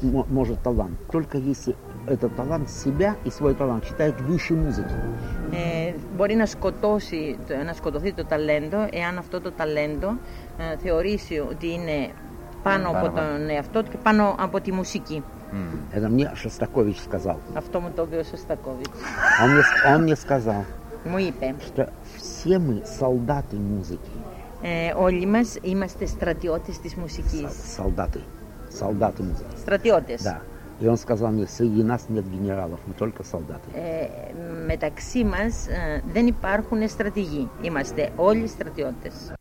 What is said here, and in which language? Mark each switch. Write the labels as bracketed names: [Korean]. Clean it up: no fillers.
[Russian] Может талант только если этот талант себя и свой талант считает выше музыки. [Greek] Μπορεί να σκοτώσει, να σκοτωθεί το ταλέντο εάν αυτό το ταλέντο θεωρήσει ότι είναι πάνω από τον εαυτό του και πάνω από τη μουσική. [Russian] Это мне Шостакович сказал. [Greek] Αυτό μου το είπε ο Шостакович. [Russian] Он мне сказал. [Greek] Μου είπε, [Russian] что все мы солдаты музыки. [Greek] Όλοι μας είμαστε στρατιώτες της μουσικής. [Russian] Солдаты. Солдаты музыки. [Greek] Στρατιώτες. [Russian] Да. И он сказал мне, среди нас нет генералов, мы только солдаты. [Greek] Μεταξύ μας δεν υπάρχουν στρατηγοί. Είμαστε όλοι στρατιώτες.